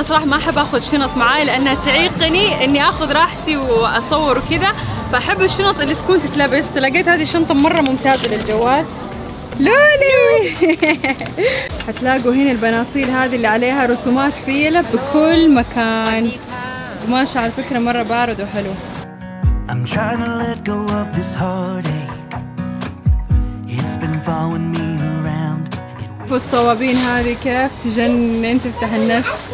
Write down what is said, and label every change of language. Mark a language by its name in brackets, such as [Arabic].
[Arabic] انا صراحه ما احب اخذ شنط معاي لانها تعيقني اني اخذ راحتي واصور وكذا، فاحب الشنط اللي تكون تتلبس. فلقيت هذه الشنطه مره ممتازه للجوال. لولي هتلاقوا هنا البناطيل هذه اللي عليها رسومات فيلة بكل مكان، وماشى على فكرة مرة بارد وحلو. [English] I'm trying to let go of this heartache. It's been following me around. [Arabic] الصوابين هذه كيف تجنن تفتح النفس.